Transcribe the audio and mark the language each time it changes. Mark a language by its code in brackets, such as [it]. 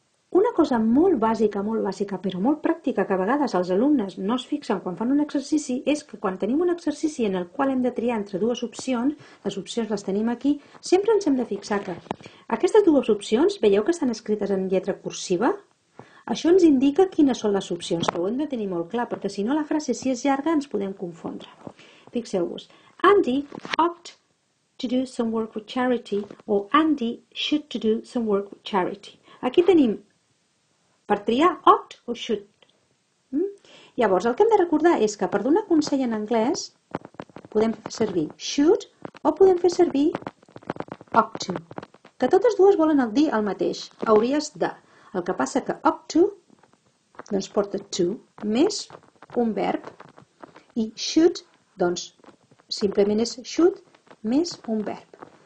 [ca] Una cosa molt bàsica, però molt pràctica, que a vegades els alumnes no es fixen quan fan un exercici, és que quan tenim un exercici en el qual hem de triar entre dues opcions, les opcions les tenim aquí, sempre ens hem de fixar que aquestes dues opcions, veieu que estan escrites en lletra cursiva? Això ens indica quines són les opcions, que ho hem de tenir molt clar, perquè si no la frase, si és llarga, ens podem confondre. Fixeu-vos. [en] Andy ought to do some work with charity, [ca] o [en] Andy should to do some work with charity. [ca] Aquí tenim per triar ought o should. Llavors, el que hem de recordar és que per donar consell en anglès podem fer servir should o podem fer servir ought to. Que totes dues volen dir el mateix. Hauries de. El que passa que ought to doncs porta to més un verb i should doncs simplement és should més un verb.